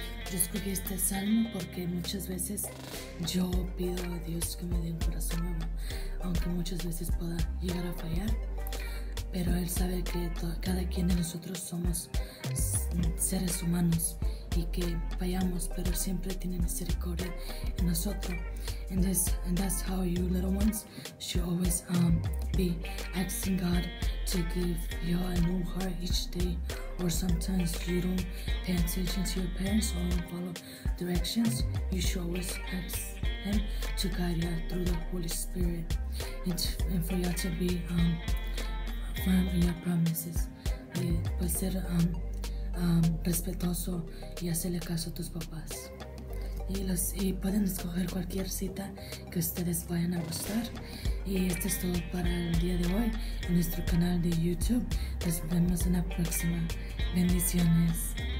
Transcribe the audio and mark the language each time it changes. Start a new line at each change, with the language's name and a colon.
Spanish: Yo escribí este Salmo porque muchas veces yo pido a Dios que me dé un corazón nuevo, aunque muchas veces pueda llegar a fallar, pero Él sabe que cada quien de nosotros somos seres humanos y que fallamos, pero siempre tiene misericordia en nosotros.
English: And that's how you little ones should always be asking God to give you a new heart each day. Or sometimes you don't pay attention to your parents or don't follow directions. You should always ask Him to guide you through the Holy Spirit and for you to be firm in your promises.
Spanish: Pues ser respetuoso y hacerle caso a tus papás. Y pueden escoger cualquier cita que ustedes vayan a gustar. Y esto es todo para el día de hoy en nuestro canal de YouTube. Nos vemos en la próxima. Bendiciones.